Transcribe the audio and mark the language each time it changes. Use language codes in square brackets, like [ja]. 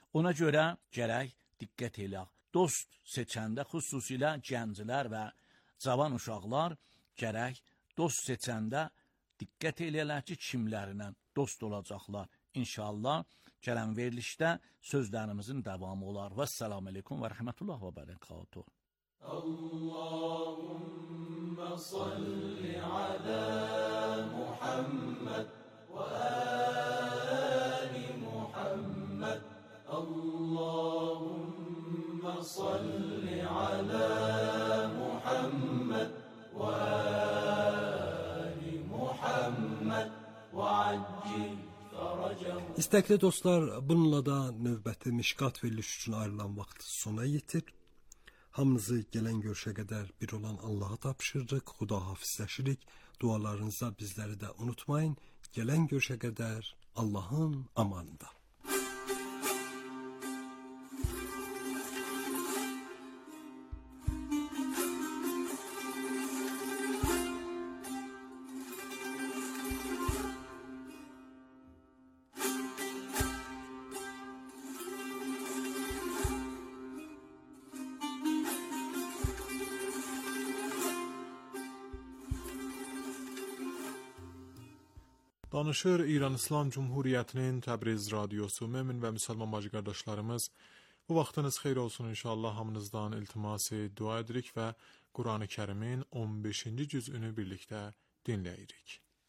[az] Ona görə gərək diqqət eləyək. Dost seçəndə xüsusilə gənclər və cavan uşaqlar gərək dost seçəndə diqqət eləyələr ki, kimlərlə dost olacaqlar. İnşallah gələn verilişdə sözlərimizin davamı olar. Və səlamu aleykum və rəhmətullah və bərəkatuhu. [ar] اللهم صل على محمد وآل محمد اللهم صل على محمد وآل محمد وعجل فرجه. [az] İstəkli dostlar, bununla da növbəti Mişkat veriliş üçün ayrılan vaxt sona yetir. Hamınızı gələn görüşə qədər bir olan Allaha tapşırırıq, Xuda hafizləşirik. Dualarınızda bizləri də unutmayın. Gələn görüşə qədər Allahın amanında. Danışır İran İslam Cumhuriyyətinin Təbriz Radiosu, Mömin və Müsəlman bacı qardaşlarımız, bu vaxtınız xeyr olsun inşallah, hamınızdan iltiması dua edirik və [tr] Kur'an-ı Kerim'in 15. cüzünü birlikte dinleyirik.